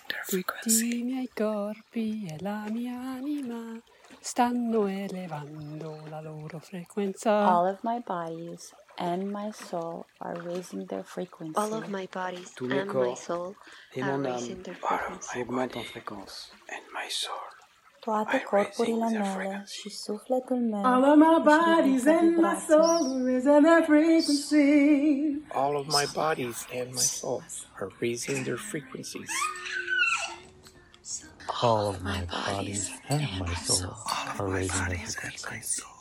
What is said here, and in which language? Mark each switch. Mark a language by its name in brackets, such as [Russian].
[Italian] Tutti i miei corpi e la mia anima stanno elevando la loro frequenza. [English] All of my bodies and my soul are raising their frequency. All of my bodies and my soul are raising their frequency. All of my bodies and my soul are raising their frequency. And my soul. [Romanian] Toate corpurile mele și sufletul meu. [English] All of my bodies and my soul are raising their frequency. All of my bodies and my soul are raising their frequencies. All of my bodies and my soul are raising their frequencies.